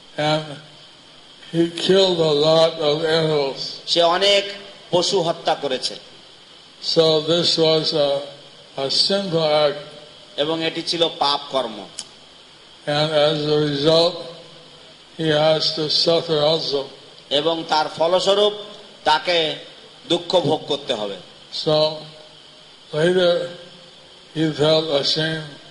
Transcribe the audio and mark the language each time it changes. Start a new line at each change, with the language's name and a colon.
English: And he killed a lot of animals.
Bangla: সে অনেক পশু হত্যা করেছে।
English: So this was a sinful act.
Bangla: এবং এটি ছিল পাপ কর্ম।
English: And as a result, he has to suffer also.
Bangla: এবং তার ফলস্বরূপ তাকে দুঃখ ভোগ করতে হবে।
English: So later, he felt ashamed.